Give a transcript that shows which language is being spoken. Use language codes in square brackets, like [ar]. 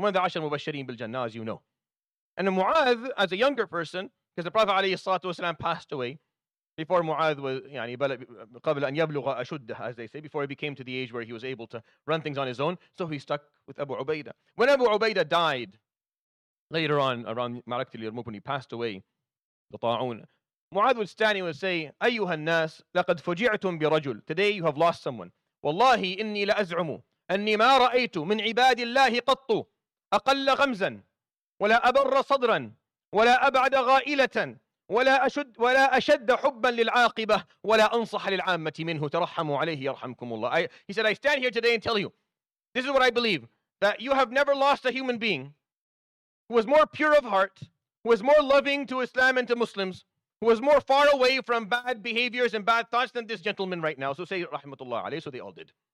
[en] One of the Ashar Mubashirin bil Jannah, as you know. And Mu'adh, as a younger person, because the Prophet alayhi salatu wasalam passed away before Mu'adh was, قبل أن يبلغ أشده, as they say, before he became to the age where he was able to run things on his own, so he stuck with Abu Ubaidah. When Abu Ubaidah died, later on, around Ma'rakat al-Yarmouk, when he passed away, the Ta'un, Mu'adh would stand and would say, أيها الناس, لقد فجعتم برجل. Today you have lost someone. [ar] والله إني لأزعم أني ما رأيت من عباد الله قط أقل غمزا ولا أبر صدرا ولا أبعد غائلة ولا أشد حبا للعاقبة ولا أنصح للعامة منه ترحموا عليه يرحمكم الله. [en] He said, I stand here today and tell you, this is what I believe, that you have never lost a human being who was more pure of heart, who was more loving to Islam and to Muslims, who was more far away from bad behaviors and bad thoughts than this gentleman right now. So say rahmatullah alayhi. So they all did.